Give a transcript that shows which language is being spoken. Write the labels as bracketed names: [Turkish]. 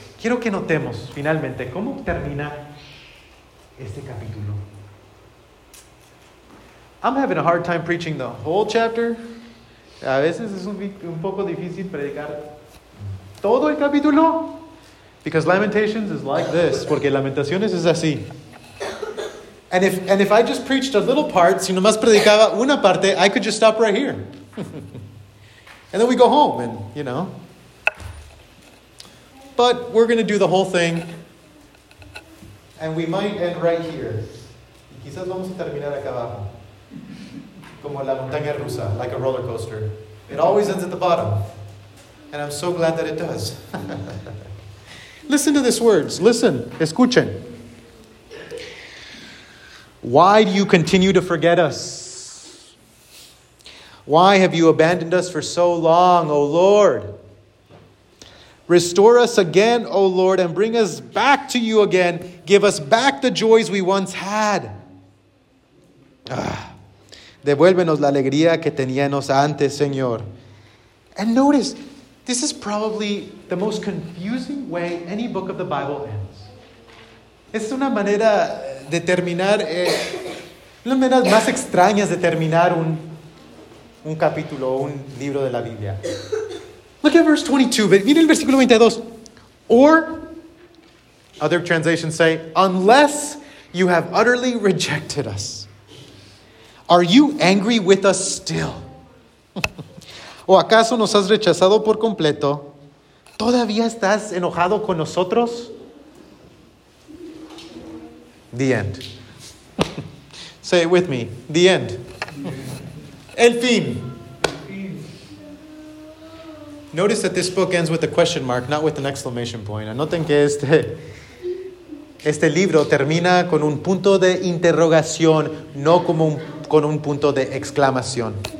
[Spanish] Quiero que notemos finalmente cómo termina este capítulo. [English] I'm having a hard time preaching the whole chapter. [Spanish] A veces es un poco difícil predicar todo el capítulo. [English] Because Lamentations is like this. [Spanish] Porque Lamentaciones es así. [English] And if I just preached a little part, [Spanish] si nomás predicaba una parte, [English] I could just stop right here. And then we go home, and you know. But we're going to do the whole thing. And we might end right here. [Spanish] Quizás vamos a terminar acá abajo. Como la montaña rusa, [English] like a roller coaster. It always ends at the bottom. And I'm so glad that it does. Listen to these words. Listen. [Spanish] Escuchen. [English] Why do you continue to forget us? Why have you abandoned us for so long, O Lord? Restore us again, O Lord, and bring us back to you again. Give us back the joys we once had. [Spanish] Devuélvenos la alegría que teníamos antes, Señor. [English] And notice, this is probably the most confusing way any book of the Bible ends. [Spanish] Es una manera de terminar, una manera más extraña de terminar un capítulo o un libro de la Biblia. [English] Look at verse 22. [Spanish] Mira el versículo 22. [English] Or, other translations say, unless you have utterly rejected us. Are you angry with us still? [Spanish] ¿O acaso nos has rechazado por completo? ¿Todavía estás enojado con nosotros? [English] The end. Say it with me. The end. [Spanish] El fin. [English] Notice that this book ends with a question mark, not with an exclamation point. [Spanish] Anoten que este libro termina con un punto de interrogación, no como con un punto de exclamación.